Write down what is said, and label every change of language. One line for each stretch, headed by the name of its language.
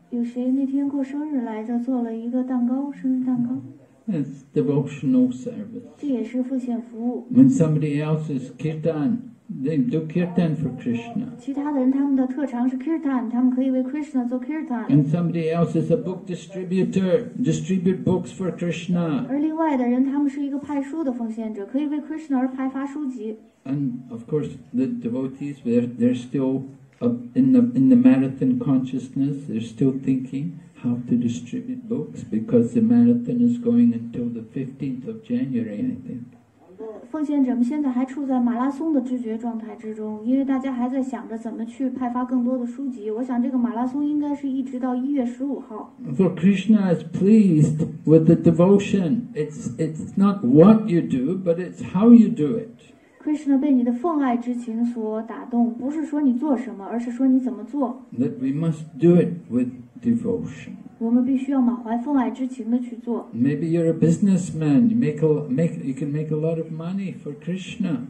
Chinese: 有谁那天过生日来着，做了一个蛋糕，生日蛋糕。
English: It's devotional service.
Chinese: 这也是奉献服务。
English: When somebody else is kirtan, they do kirtan for Krishna.
Chinese: 其他的人他们的特长是 kirtan, 他们可以为 Krishna 做 kirtan.
English: And somebody else is a book distributor, distribute books for Krishna.
Chinese: 而另外的人他们是一个派书的奉献者，可以为 Krishna 而派发书籍。
English: And of course, the devotees, they're still in the marathon consciousness. They're still thinking. How to distribute books because the marathon is going until the 15th of January, I think.
Chinese: 奉献者们现在还处在马拉松的知觉状态之中，因为大家还在想着怎么去派发更多的书籍。我想这个马拉松应该是一直到1月15号。
English: For Krishna is pleased with the devotion. It's not what you do, but it's how you do it.
Chinese: Krishna 被你的奉爱之情所打动，不是说你做什么，而是说你怎么做。
English: That we must do it with. Devotion.
Chinese: 我们必须要满怀奉爱之情的去做。
English: Maybe you're a businessman. You can make a lot of money for Krishna.